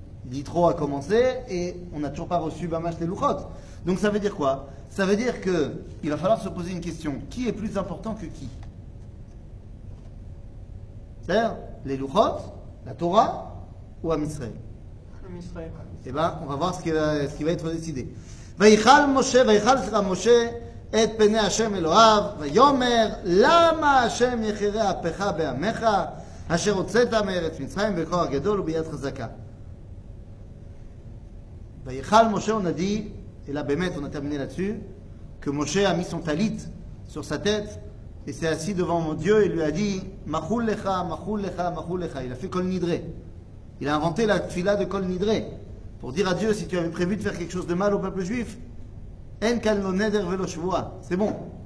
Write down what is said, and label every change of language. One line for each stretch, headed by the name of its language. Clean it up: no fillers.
French: Yitro a commencé et on n'a toujours pas reçu Bamash Teluchot. Donc ça veut dire quoi? Ça veut dire qu'il va falloir se poser une question. Qui est plus important que qui? C'est-à-dire les Luchot, la Torah ou Amisraël? Amisraël. Eh bien, on va voir ce qui va être décidé.
Hebrew: Vaïchal Moshe, Vaïchal sera Moshe. את פני השם אלוהיו, ויאמר, למה השם יחירה אפך בעמך, אשר הוצאת מארץ מצרים בכוח גדול וביד חזקה. ויחל משה,
French: on a dit, et là
Hebrew: באמת,
French: on a terminé là-dessus, que משה a mis son talit sur sa tête, et s'est assis devant mon Dieu, et lui a dit,
Hebrew: מחול לך, מחול לך, מחול לך,
French: il a fait col nidré. Il a inventé la tfila de col nidré, pour dire à Dieu, si tu avais prévu de faire quelque chose de mal au peuple juif, c'est bon.